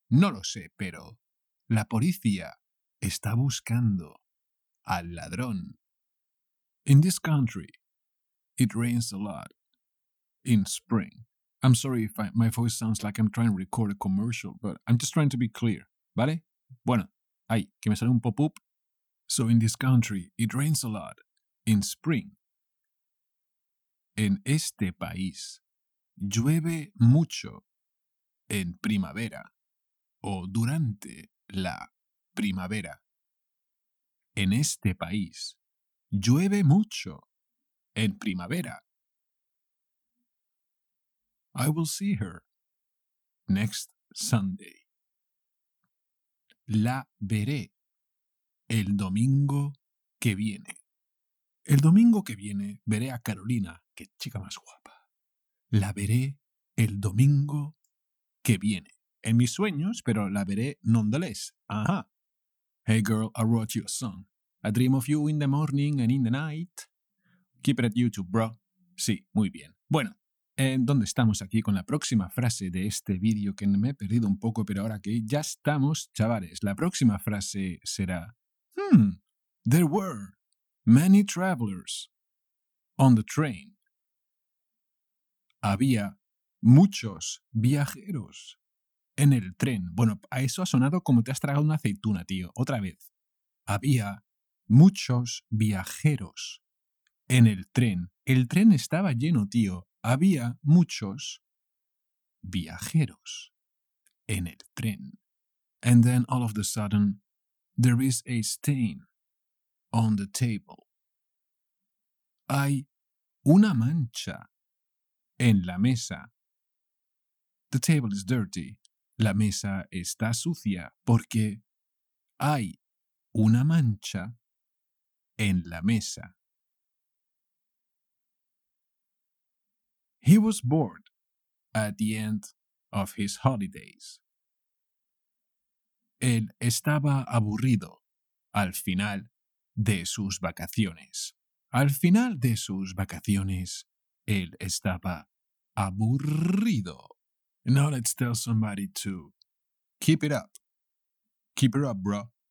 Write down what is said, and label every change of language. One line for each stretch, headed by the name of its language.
Spanish: No lo sé, pero la policía está buscando al ladrón.
English: In this country, it rains a lot in spring. I'm sorry if my voice sounds like I'm trying to record a commercial, but I'm just trying to be clear, ¿vale?
Spanish: Bueno, ay, que me sale un pop-up.
English: So in this country, it rains a lot in spring.
Spanish: En este país, llueve mucho en primavera o durante la primavera. En este país, llueve mucho en primavera.
English: I will see her next Sunday.
Spanish: La veré el domingo que viene. El domingo que viene veré a Carolina, qué chica más guapa. La veré el domingo que viene. En mis sueños, pero la veré
English: nonetheless. Ajá. Hey girl, I wrote you a song. I dream of you in the morning and in the night. Keep it at YouTube, bro.
Spanish: Sí, muy bien. Bueno. ¿En dónde estamos aquí con la próxima frase de este vídeo que me he perdido un poco, pero ahora que ya estamos, chavales, la próxima frase será...
English: There were many travelers on the train.
Spanish: Había muchos viajeros en el tren. Bueno, a eso ha sonado como te has tragado una aceituna, tío. Otra vez. Había muchos viajeros en el tren. El tren estaba lleno, tío. Había muchos viajeros en el tren.
English: And then all of a sudden, there is a stain on the table.
Spanish: Hay una mancha en la mesa.
English: The table is dirty.
Spanish: La mesa está sucia porque hay una mancha en la mesa.
English: He was bored at the end of his holidays.
Spanish: Él estaba aburrido al final de sus vacaciones. Al final de sus vacaciones, él estaba aburrido.
English: Now let's tell somebody to keep it up. Keep it up, bro.